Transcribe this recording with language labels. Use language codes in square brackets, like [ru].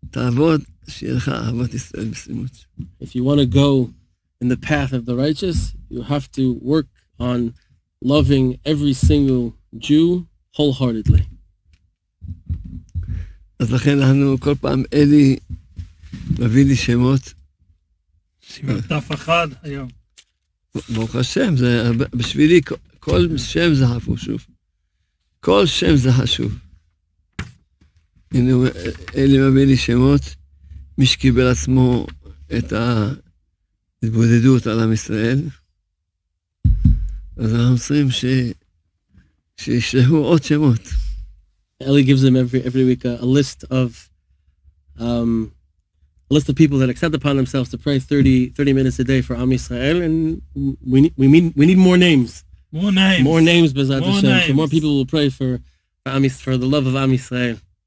[en] If you want to go in the path of the righteous, you have to work on loving every single Jew wholeheartedly. [he] אז לכן אנחנו כל פעם אלי מביא לי שמות. שמעטף אחד היום. ברוך השם, זה, בשבילי כל שם זה חשוב. כל שם זה חשוב. הנה, אלי מביא לי שמות, מי שקיבל עצמו את ההתבודדות על עם ישראל. אז אנחנו צריכים שישלחו עוד שמות. [en] Ellie gives them every week a list of people that accept upon themselves to pray 30 minutes a day for Am Yisrael, and we need more names. More names. More names, Bezat Hashem. Names. So more people will pray for the love of Am Yisrael.